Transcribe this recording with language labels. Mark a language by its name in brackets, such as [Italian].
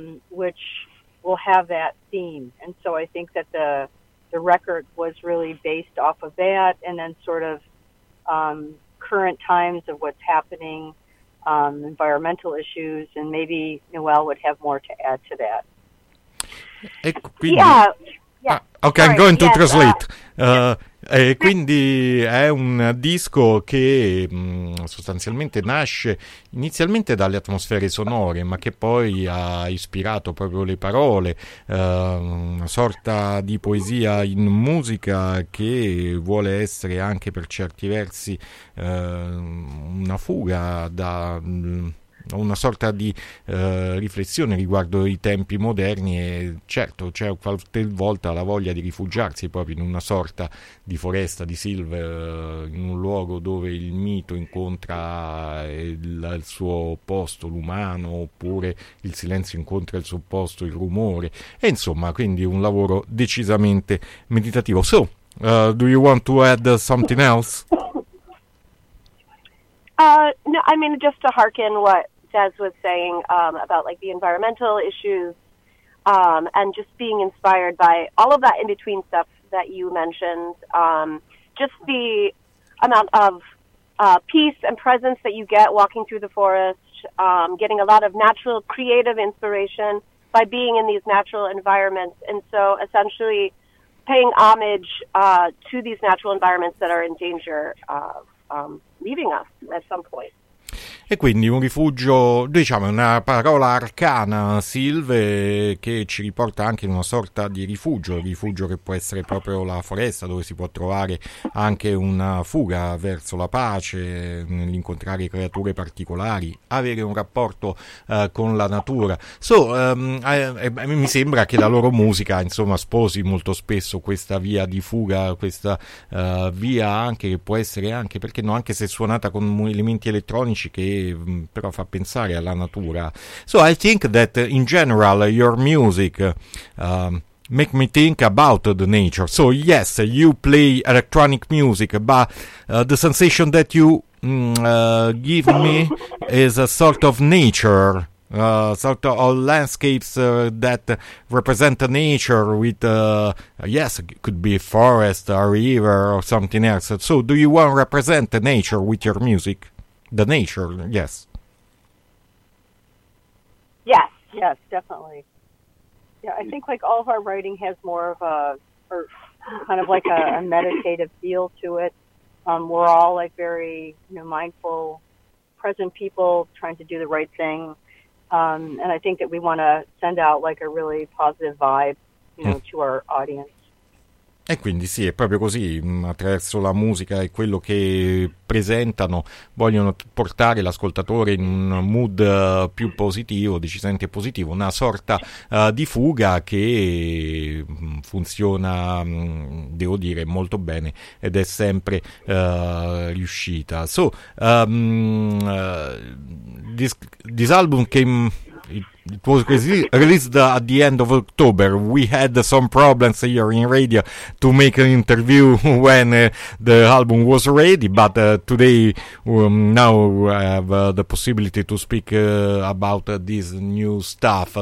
[English] which will have that theme, and so I think that the record was really based off of that, and then sort of current times of what's happening, environmental issues, and maybe Noel would have more to add to that. [Italian] E quindi, [English] I'm going to translate. [Italian] E quindi è un disco che sostanzialmente nasce inizialmente dalle atmosfere sonore, ma che poi ha ispirato proprio le parole, una sorta di poesia in musica che vuole essere anche per certi versi una fuga da una sorta di riflessione riguardo i tempi moderni, e certo c'è qualche volta la voglia di rifugiarsi proprio in una sorta di foresta, di silva, in un luogo dove il mito incontra il suo opposto, l'umano, oppure il silenzio incontra il suo opposto, il rumore, e insomma, quindi un lavoro decisamente meditativo. [English] So, do you want to add something else? No, I mean, just to hearken what Des was saying about like the environmental issues, and just being inspired by all of that in between stuff that you mentioned, just the amount of peace and presence that you get walking through the forest, getting a lot of natural creative inspiration by being in these natural environments, and so essentially paying homage to these natural environments that are in danger of leaving us at some point. [Italian] E quindi un rifugio, diciamo, una parola arcana, Silve, che ci riporta anche in una sorta di rifugio, il rifugio che può essere proprio la foresta, dove si può trovare anche una fuga verso la pace, nell'incontrare creature particolari, avere un rapporto con la natura. So, mi sembra che la loro musica, insomma, sposi molto spesso questa via di fuga, questa via anche che può essere anche, perché no, anche se suonata con elementi elettronici che però fa pensare alla natura. [English] So I think that in general your music make me think about the nature. So yes, you play electronic music, but the sensation that you give me is a sort of nature sort of landscapes that represent nature with, yes, it could be a forest or a river or something else. So do you want to represent the nature with your music? The nature, yes. Yes, definitely. Yeah, I think like all of our writing has more of a, or kind of like a meditative feel to it. We're all like very, you know, mindful, present people trying to do the right thing. And I think that we want to send out like a really positive vibe, you know, to our audience. [Italian] E quindi sì, è proprio così, attraverso la musica e quello che presentano vogliono portare l'ascoltatore in un mood più positivo, decisamente positivo, una sorta di fuga che funziona, devo dire, molto bene ed è sempre riuscita. [English] So, this album came... It was released at the end of October. We had some problems here in radio to make an interview when the album was ready, but today now I have the possibility to speak about this new stuff.